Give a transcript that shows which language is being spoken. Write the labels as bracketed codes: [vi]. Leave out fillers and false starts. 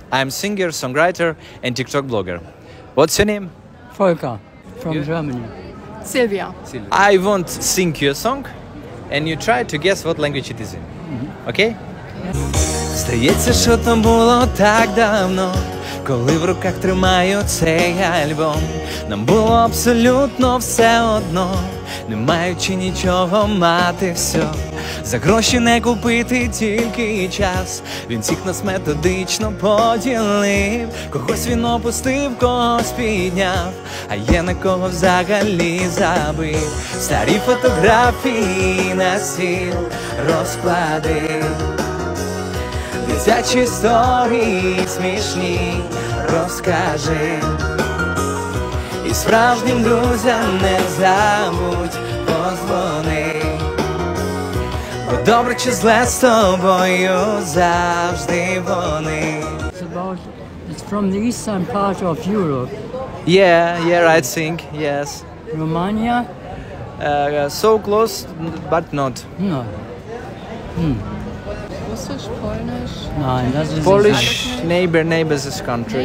[en] I'm singer, songwriter, and TikTok blogger. What's your name? Volker, from Germany. Silvia. I won't sing you a song, and you try to guess what language it is in. Okay? Yes. [uk] Здається, що то було так давно, коли в руках тримаю цей альбом. Нам було абсолютно все одно, не маючи нічого, мати все. За гроші не купити тільки час. Він всіх нас методично поділив. Когось він опустив, когось підняв, а є на кого взагалі забив. Старі фотографії на стіл розкладив, дитячі історії смішні розкажи. І справжнім друзям не забудь позвони. Добре чи зле з тобою завжди вони. [en] It's from the eastern part of Europe. Yeah, I think, yes. Romania? So close, but not. No. [de] Russisch, Polnisch? Nein, das ist [en] Polish neighbor's is country.